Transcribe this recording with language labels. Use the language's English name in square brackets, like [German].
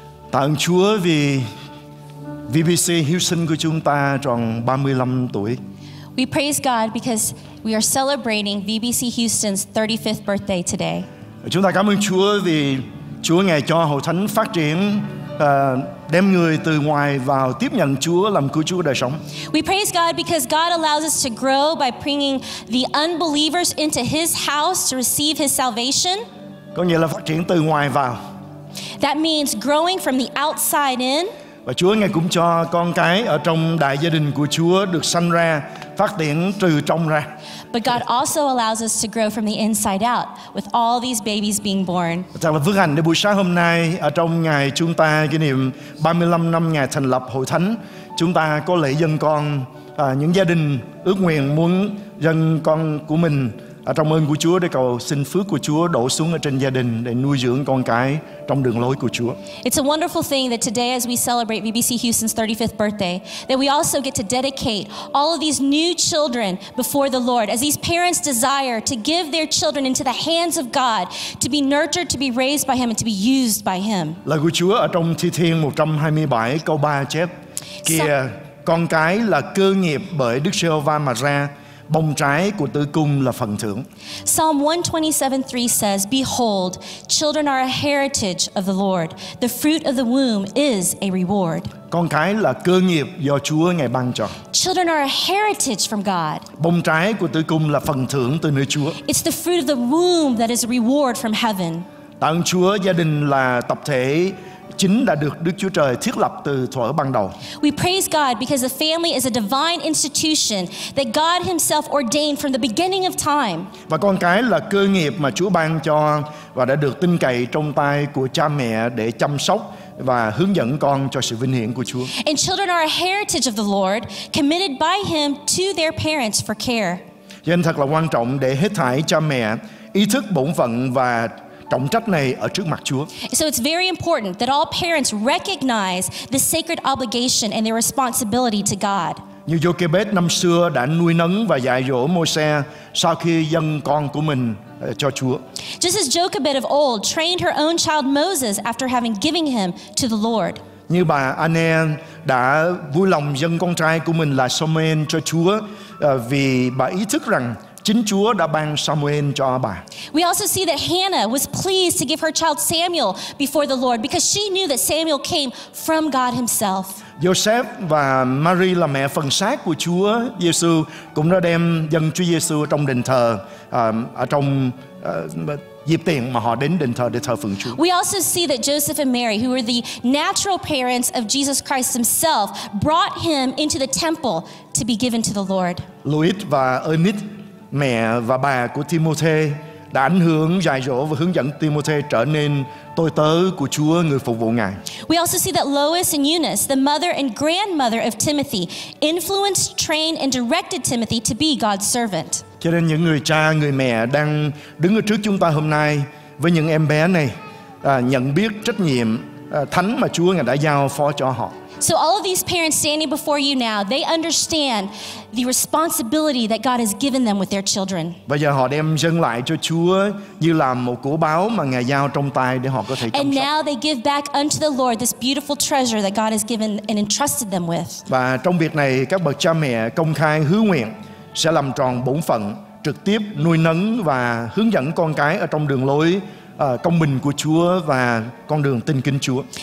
[Vietnamese] Tạ ơn Chúa vì VBC hiếu sinh của chúng ta tròn 35 tuổi. [English] We praise God because we are celebrating VBC Houston's 35th birthday today. [Vietnamese] Chúng ta cảm ơn Chúa vì Chúa ngài cho hội thánh phát triển đem người từ ngoài vào tiếp nhận Chúa làm cứu Chúa đời sống. [English] We praise God because God allows us to grow by bringing the unbelievers into His house to receive His salvation. [Vietnamese] Có nghĩa là phát triển từ ngoài vào. [English] That means growing from the outside in. [Vietnamese] Và Chúa ngài cũng cho con cái ở trong đại gia đình của Chúa được sanh ra, phát triển từ trong ra. [English] But God also allows us to grow from the inside out with all these babies being born. [Vietnamese] Chào mừng phước hạnh để buổi sáng hôm nay ở trong ngày chúng ta kỷ niệm 35 năm ngày thành lập Hội Thánh, chúng ta có lễ dâng con những gia đình ước nguyện muốn dâng con của mình trong ơn của Chúa để cầu xin phước của Chúa đổ xuống ở trên gia đình để nuôi dưỡng con cái trong đường lối của Chúa. [English] It's a wonderful thing that today as we celebrate VBC Houston's 35th birthday, that we also get to dedicate all of these new children before the Lord, as these parents desire to give their children into the hands of God, to be nurtured, to be raised by Him, and to be used by Him. [Vietnamese] Lời của Chúa ở trong Thi Thiên 127 câu 3 chép: Kìa, con cái là cơ nghiệp bởi Đức Giê-hô-va mà ra, bông trái của tử cung là phần thưởng. [English] Psalm 127:3 says, Behold, children are a heritage of the Lord. The fruit of the womb is a reward. [Vietnamese] Con cái là cơ nghiệp do Chúa ngài ban cho. [English] Children are a heritage from God. [Vietnamese] Bông trái của tử cung là phần thưởng từ nơi Chúa. [English] It's the fruit of the womb that is a reward from heaven. [Vietnamese] Tạ ơn Chúa, gia đình là tập thể chính đã được Đức Chúa Trời thiết lập từ thuở ban đầu. [English] We praise God because the family is a divine institution that God Himself ordained from the beginning of time. [Vietnamese] Và con cái là cơ nghiệp mà Chúa ban cho và đã được tin cậy trong tay của cha mẹ để chăm sóc và hướng dẫn con cho sự vinh hiển của Chúa. [English] And children are a heritage of the Lord, committed by Him to their parents for care. [Vietnamese] Nên thật là quan trọng để hết thảy cha mẹ ý thức bổn phận và trọng trách này ở trước mặt Chúa. [English] So it's very important that all parents recognize the sacred obligation and their responsibility to God. [Vietnamese] Như Jochebed năm xưa đã nuôi nấng và dạy dỗ Môi-se sau khi dâng con của mình cho Chúa. [English] Just as Jochebed of old trained her own child Moses after having given him to the Lord. [Vietnamese] Như bà Anen đã vui lòng dâng con trai của mình là Samuel cho Chúa vì bà ý thức rằng chính Chúa đã ban Samuel cho bà. [English] We also see that Hannah was pleased to give her child Samuel before the Lord because she knew that Samuel came from God Himself. [Vietnamese] Joseph và Mary là mẹ phần xác của Chúa Giêsu cũng đã đem dâng Chúa Giêsu trong đền thờ ở trong dịp tiện mà họ đến đền thờ để thờ phượng Chúa. [English] We also see that Joseph and Mary, who were the natural parents of Jesus Christ Himself, brought Him into the temple to be given to the Lord. [Vietnamese] Louis và Ernest, mẹ và bà của Timothy, đã ảnh hưởng dạy dỗ và hướng dẫn Timothy trở nên tôi tớ của Chúa, người phục vụ ngài. [English] We also see that Lois and Eunice, the mother and grandmother of Timothy, influenced, trained and directed Timothy to be God's servant. [Vietnamese] Cho nên những người cha, người mẹ đang đứng ở trước chúng ta hôm nay với những em bé này nhận biết trách nhiệm thánh mà Chúa ngài đã giao phó cho họ. [English] So all of these parents standing before you now, they understand the responsibility that God has given them with their children. [Vietnamese] Bây giờ họ đem dâng lại cho Chúa như làm một của báo mà ngài giao trong tay để họ có thể chăm sóc. [English] And now they give back unto the Lord this beautiful treasure that God has given and entrusted them with. [Vietnamese] Và trong việc này, các bậc cha mẹ công khai hứa nguyện sẽ làm tròn bổn phận trực tiếp nuôi nấng và hướng dẫn con cái ở trong đường lối công bình của Chúa và con đường tin kính Chúa.